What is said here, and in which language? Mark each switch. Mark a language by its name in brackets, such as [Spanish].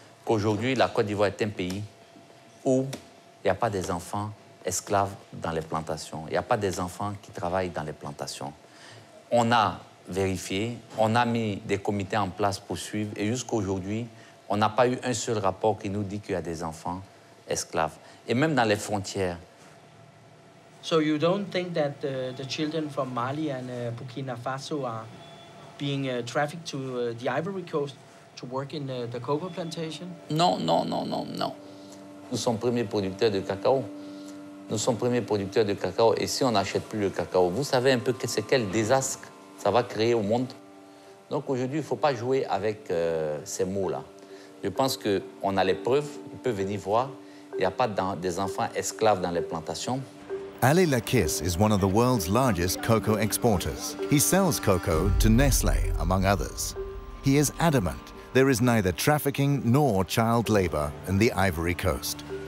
[French] Qu'aujourd'hui, la Côte d'Ivoire est un pays où il n'y a pas des enfants esclaves dans les plantations. Il n'y a pas des enfants qui travaillent dans les plantations. On a vérifié, on a mis des comités en place pour suivre. Et jusqu'à aujourd'hui, on n'a pas eu un seul rapport qui nous dit qu'il y a des enfants esclaves. Et même dans les frontières. [English] So you don't think that the children from Mali and Burkina Faso are being trafficked to the Ivory Coast to work in the cocoa plantation? [French] Non, non, non, non, non. Nous sommes premiers producteurs de cacao. Nous sommes premiers producteurs de cacao. Et si on n'achète plus le cacao, vous savez un peu que c'est quel désastre ça va créer au monde. Donc aujourd'hui, il ne faut pas jouer avec ces mots-là. Je pense qu'on a les preuves. Ils peuvent venir voir. Il n'y a pas des enfants esclaves dans les plantations. [English] Ali Lakis is one of the world's largest cocoa exporters. He sells cocoa to Nestle, among others. He is adamant there is neither trafficking nor child labor in the Ivory Coast.